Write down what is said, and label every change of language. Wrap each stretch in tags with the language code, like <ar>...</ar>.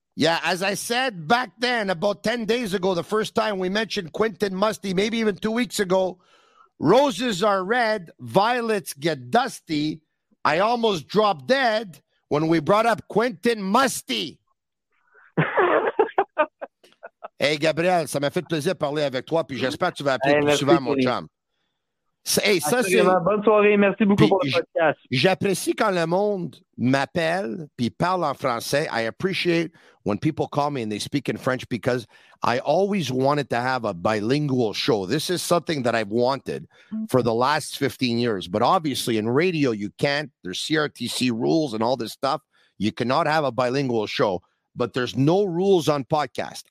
<en>Yeah, as I said back then, about 10 days ago, the first time we mentioned Quentin Musty, maybe even 2 weeks ago, roses are red, violets get dusty. I almost dropped dead when we brought up Quentin Musty.</en> <fr>Hey, Gabriel, ça m'a fait plaisir de parler avec toi, puis j'espère que tu vas appeler plus souvent, mon chum. Hey, ça, c'est... Bonne soirée, merci beaucoup pour le podcast. J'apprécie quand le monde m'appelle puis parle en français.</fr> <en>I appreciate when people call me and they speak in French because I always wanted to have a bilingual show. This is something that I've wanted for the last 15 years. But obviously, in radio, you can't. There's CRTC rules and all this stuff. You cannot have a bilingual show. But there's no rules on podcast.</en>